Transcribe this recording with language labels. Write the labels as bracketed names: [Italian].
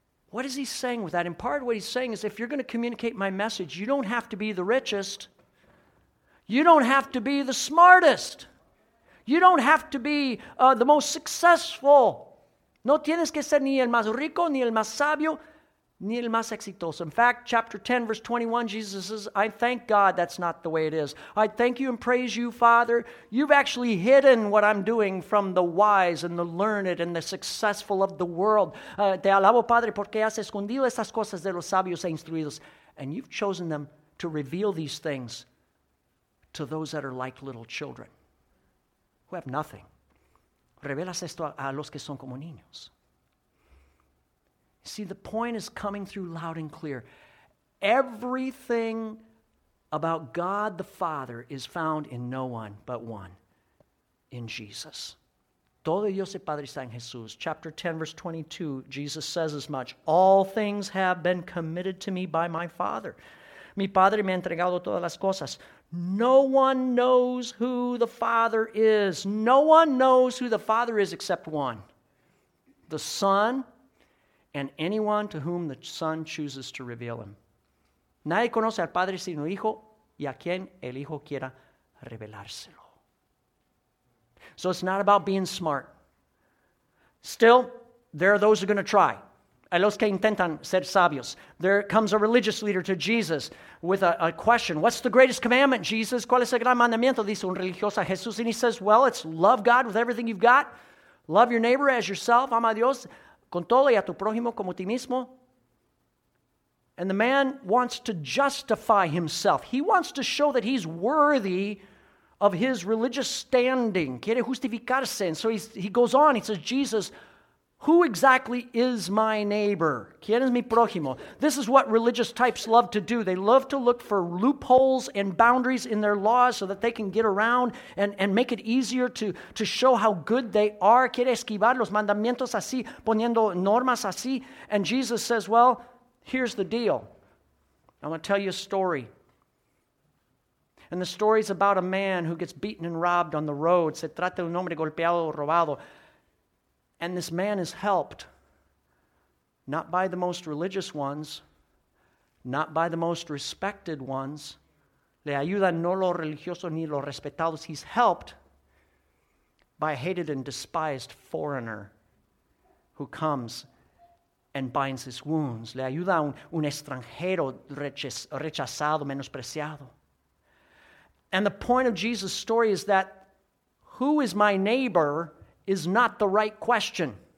[English] What is he saying with that? In part, what he's saying is if you're going to communicate my message, you don't have to be the richest. You don't have to be the smartest. You don't have to be the most successful. [Spanish] No tienes que ser ni el más rico, ni el más sabio, ni el más exitoso. [English] In fact, chapter 10, verse 21, Jesus says, I thank God that's not the way it is. I thank you and praise you, Father. You've actually hidden what I'm doing from the wise and the learned and the successful of the world. [Spanish] Te alabo, Padre, porque has escondido estas cosas de los sabios e instruidos. [English] And you've chosen them to reveal these things to those that are like little children who have nothing. [Spanish] Revelas esto a los que son como niños. [English] See, the point is coming through loud and clear. Everything about God the Father is found in no one but one, in Jesus. [Spanish] Todo Dios el Padre está en Jesús. [English] Chapter 10, verse 22, Jesus says as much. All things have been committed to me by my Father. [Spanish] Mi Padre me ha entregado todas las cosas. [English] No one knows who the Father is. No one knows who the Father is except one. The Son, and anyone to whom the Son chooses to reveal him. [Spanish] Nadie conoce al Padre sino Hijo, y a quien el Hijo quiera revelárselo. [English] So it's not about being smart. Still, there are those who are going to try. [Spanish] A los que intentan ser sabios. [English] There comes a religious leader to Jesus with a question. What's the greatest commandment, Jesus? [Spanish] ¿Cuál es el gran mandamiento? Dice un religioso a Jesús. [English] And he says, well, it's love God with everything you've got. Love your neighbor as yourself. [Spanish] Ama a Dios con todo y a tu prójimo como ti mismo. [English] And the man wants to justify himself. He wants to show that he's worthy of his religious standing. [Spanish] Quiere justificarse. [English] And so he goes on. He says, Jesus, who exactly is my neighbor? [Spanish] ¿Quién es mi prójimo? [English] This is what religious types love to do. They love to look for loopholes and boundaries in their laws so that they can get around and make it easier to show how good they are. [Spanish] ¿Quiere esquivar los mandamientos así, poniendo normas así? [English] And Jesus says, well, here's the deal. I'm going to tell you a story. And the story is about a man who gets beaten and robbed on the road. [Spanish] Se trata de un hombre golpeado o robado. [English] And this man is helped, not by the most religious ones, not by the most respected ones, [Spanish] le ayuda no lo religioso ni lo respetado. [English] He's helped by a hated and despised foreigner who comes and binds his wounds. [Spanish] Le ayuda a un extranjero rechazado, menospreciado. [English] And the point of Jesus' story is that who is my neighbor is not the right question.